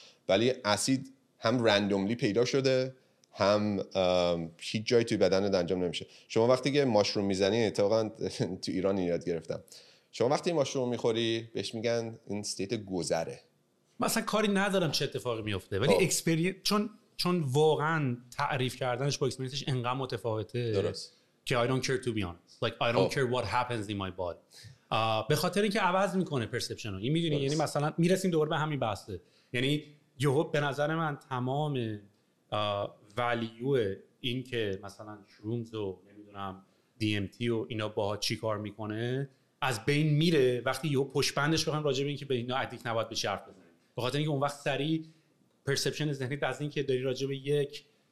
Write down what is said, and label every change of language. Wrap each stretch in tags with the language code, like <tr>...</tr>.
<fa>ولی اسید هم رندوملی پیدا شده، هم هیچ جایی توی بدن انجام نمیشه. شما وقتی که ماشروم میزنی، اتفاقا تو ایران یاد گرفتم، شما وقتی ماشروم میخوری بهش میگن این استیت گذره. مثلا کاری ندارم چه اتفاقی میفته، ولی اکسپریانس، چون واقعا تعریف کردنش با اکسپریانسش انقدر متفاوته. درست.</fa> <en>که I don't care to be honest, like I don't care what happens in my body.</en> <fa>به خاطر اینکه عوض میکنه پرسپشن رو، این میدونی بس. یعنی مثلا میرسیم دوباره به همین بحثه، یعنی یهو به نظر من تمام ولیو این که مثلا شرومز و نمیدونم دی ام تی و اینا باها چی کار میکنه از بین میره وقتی یهو پشپندش بخوام راجع به اینکه به اینا ادیکت نباید بشی حرف بزنه، به خاطر اینکه اون وقت سری پرسپشن ذهنی از این که داری راجع به یک،</fa>